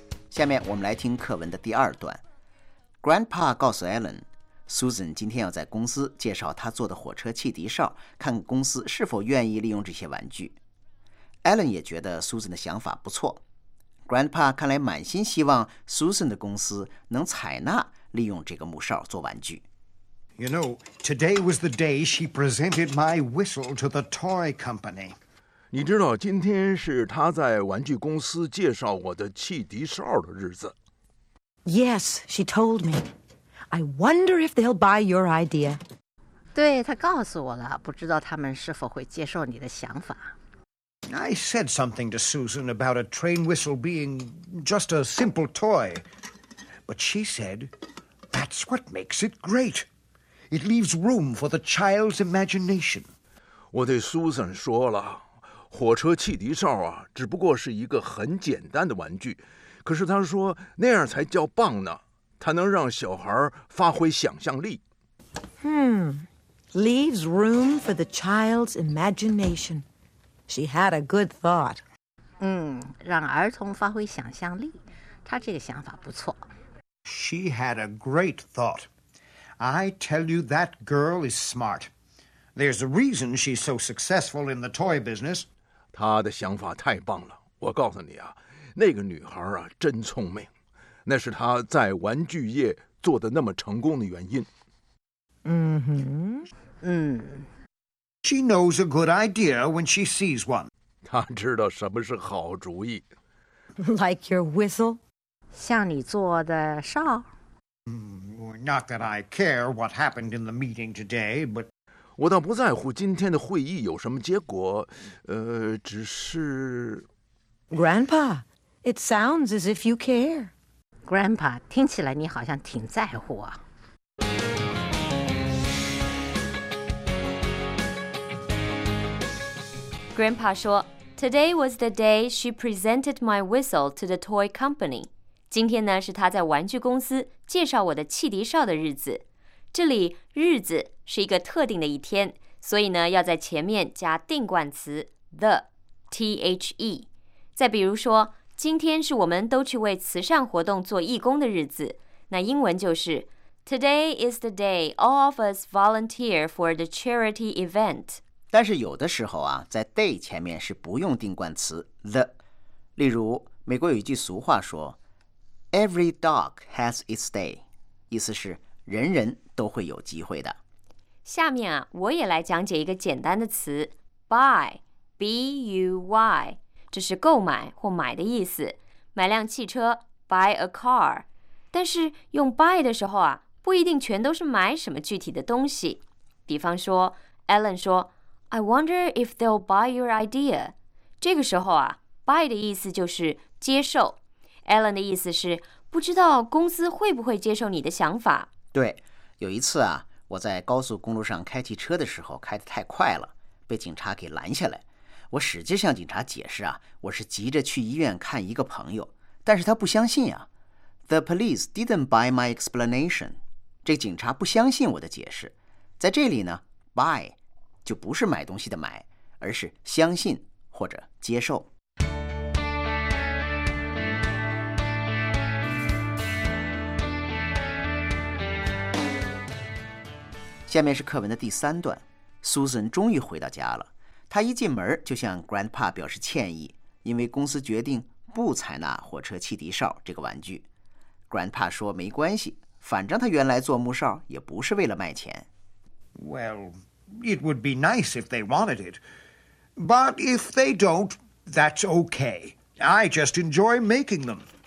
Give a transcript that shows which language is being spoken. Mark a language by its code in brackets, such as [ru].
[zh] 下面我们来听课文的第二段。Grandpa 告诉 Ellen, Susan 今天要在公司介绍她做的火车汽笛哨，看公司是否愿意利用这些玩具。 Ellen 也觉得 Susan 的想法不错。Grandpa 看来满心希望 Susan 的公司能采纳利用这个木哨做玩具。 [en] You know, today was the day she presented my whistle to the toy company. [zh] 你知道今天是他在玩具公司介绍我的汽笛哨的日子。 [en] Yes, she told me. I wonder if they'll buy your idea. [zh] 对，他告诉我了，不知道他们是否会接受你的想法。 [en] I said something to Susan about a train whistle being just a simple toy. But she said, that's what makes it great. It leaves room for the child's imagination. [zh] 我对 Susan 说了。火车汽笛哨啊，只不过是一个很简单的玩具，可是他说那样才叫棒呢，它能让小孩发挥想象力。 Hmm, [en] leaves room for the child's imagination. She had a good thought. [zh] 让儿童发挥想象力，她这个想法不错。 [en] She had a great thought. I tell you, that girl is smart. There's a reason she's so successful in the toy business. [zh] 她的想法太棒了，我告诉你啊，那个女孩啊，真聪明。那是他在玩具业做得那么成功的原因。嗯哼，嗯。 [en] She knows a good idea when she sees one. [zh] 他知道什么是好主意。 [en] Like your whistle? [zh] 像你做的哨。 [en] Not that I care what happened in the meeting today, but... [zh] 我倒不在乎今天的会议有什么结果，只是... [en] Grandpa, it sounds as if you care. [zh] Grandpa, 听起来你好像挺在乎啊。 [en] Grandpa 说 ,Today was the day she presented my whistle to the toy company. [zh] 今天呢是她在玩具公司介绍我的汽笛哨的日子。这里日子是一个特定的一天，所以呢要在前面加定冠词 the,T-H-E。再比如说今天是我们都去为慈善活动做义工的日子，那英文就是 [en] Today is the day all of us volunteer for the charity event. [zh] 但是有的时候啊，在 day 前面是不用定冠词 the。例如，美国有一句俗话说 ， [en] Every dog has its day， [zh] 意思是人人都会有机会的。下面啊，我也来讲解一个简单的词 ，buy， B-U-Y。这是购买或买的意思，买辆汽车 [en] buy a car。 [zh] 但是用 buy 的时候啊，不一定全都是买什么具体的东西。比方说，Alan 说 ，I wonder if they'll buy your idea。这个时候啊 ，buy 的意思就是接受。 Alan 的意思是不知道公司会不会接受你的想法。对，有一次啊，我在高速公路上开汽车的时候开得太快了，被警察给拦下来。我使劲向警察解释啊，我是急着去医院看一个朋友，但是他不相信啊。 [en] The police didn't buy my explanation. [zh] 这警察不相信我的解释。在这里呢 ，buy 就不是买东西的买，而是相信或者接受。下面是课文的第三段 ，Susan 终于回到家了。他一进门就向 Grandpa 表示歉意，因为公司决定不采纳火车汽笛哨这个玩具。 Grandpa 说没关系，反正他原来做木哨也不是为了卖钱。 [en] Well, it would be nice if they wanted it. But if they don't, that's okay. I just enjoy making them.